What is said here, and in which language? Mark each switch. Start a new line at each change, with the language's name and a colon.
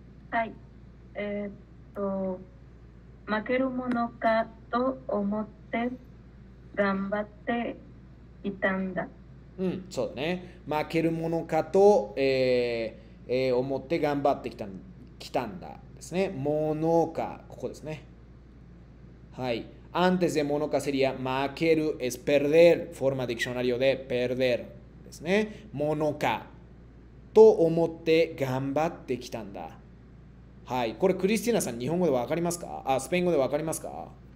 Japanese: はい、負けるものかと思って頑張っていたんだ。うん、そうだね。負けるものかと、思って頑張ってきたんだですね。ものか、ここですね。はい。
Spanish: antes de ものか sería 負ける es perder forma diccionario de perder
Japanese: ですね。ものかと思って頑張ってきたんだ。はい、これクリスティーナさん日本語でわかりますか？あ、スペイン語でわかりますか？